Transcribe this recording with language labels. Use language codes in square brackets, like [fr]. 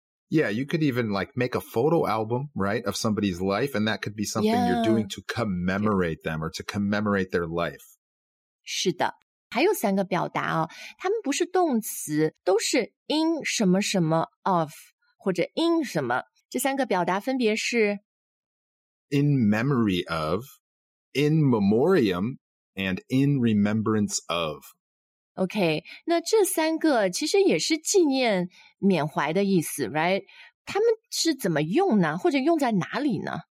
[en] Yeah, you could even like make a photo album, right, of somebody's life, and that could be something you're doing to commemorate them or to commemorate their life. [zh] 是的。还有三个表达哦，它们不是动词，都是 in 什么什么 of 或者 in 什么，这三个表达分别是 [en] in memory of, in memoriam, and in remembrance of. [zh] OK, 那这三个其实也是纪念缅怀的意思 ,right? 它们是怎么用呢？或者用在哪里呢？